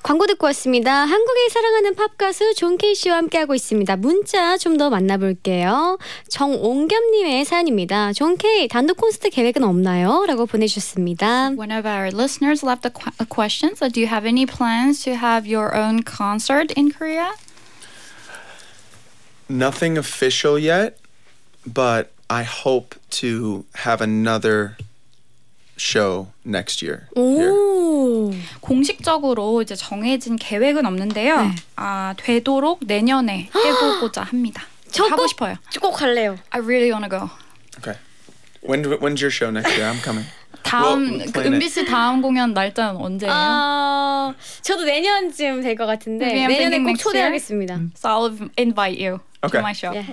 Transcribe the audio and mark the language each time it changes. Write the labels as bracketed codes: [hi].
[ko] 듣고 왔습니다. 한국의 사랑하는 팝가수 존케이 씨와 함께하고 있습니다. 문자 좀 더 만나볼게요. 정옹겸님의 사연입니다. 존케이 단독 콘서트 계획은 없나요? 라고 보내주셨습니다. [en] One of our listeners left a question. So do you have any plans to have your own concert in Korea? Nothing official yet, but I hope to have another show next year. [ko] 오, 공식적으로 이제 정해진 계획은 없는데요. 네. 아 되도록 내년에 해보고자 합니다. 저 하고 꼭, 싶어요. 꼭 갈래요. [en] I really wanna go. Okay. When's your show next year? I'm coming. [ko] 다음 well, 그 은비 씨 다음 공연 날짜는 언제예요? 저도 내년쯤 될 것 같은데 내년에 꼭 초대하겠습니다. [en] So I'll invite you okay. to my show, yeah.